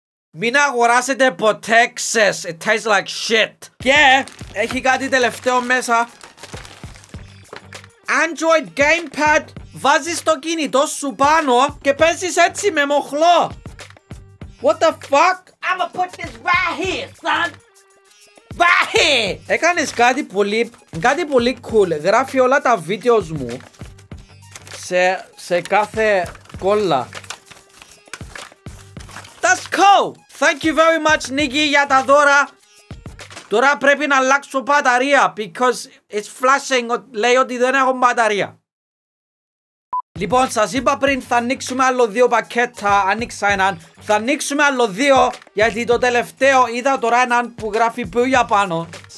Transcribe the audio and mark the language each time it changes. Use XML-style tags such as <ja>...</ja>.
<el>Μην αγοράσετε ποτέ ξες.</el> <en>It tastes like shit.</en> <el>Και έχει κάτι τελευταίο μέσα. Android gamepad. Βάζεις το κινητό σου πάνω και παίζεις έτσι με μοχλό.</el> <en>What the fuck? I'ma put this right here, son. Right here.</en> <el>Έκανες κάτι πολύ cool. Γράφει όλα τα βίντεο μου σε κάθε κόλλα.</el> <en>That's cool. Thank you very much, Nikki,</en> <el>για τα δώρα. Τώρα πρέπει να αλλάξω μπαταρία</el> <en>because it's flashing.</en> <el>Λέει ότι δεν έχω μπαταρία. Λοιπόν, σας είπα πριν θα ανοίξουμε άλλο δύο πακέτα. Άνοιξα έναν. Θα ανοίξουμε άλλο δύο γιατί το τελευταίο είδα τώρα έναν που γράφει πού για πάνω.</el>